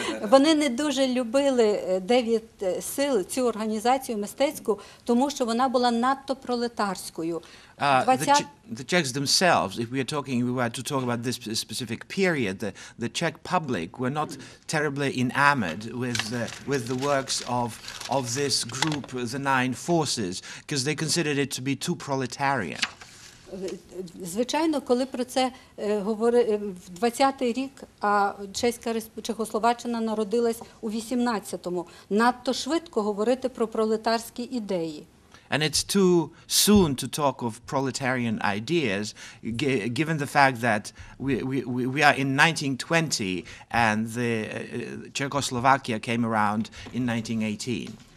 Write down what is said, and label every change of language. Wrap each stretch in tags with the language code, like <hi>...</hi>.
<uk>Вони не дуже любили дев'ять сил, цю організацію мистецьку, тому що вона була надто пролетарською.</uk> <en>The Czechs themselves, if we are talking, we were to talk about this specific period, the Czech public were not terribly enamored with the works of this group, the Nine Forces, because they considered it to be too proletarian.</en> <uk>Звичайно, коли про це говорив 20-й рік, а Чеська Чехословаччина народилась у 18-му. Надто швидко говорити про пролетарські ідеї.</uk> <en>And it's too soon to talk of proletarian ideas, given the fact that we are in 1920 and the Czechoslovakia came around in 1918.</en>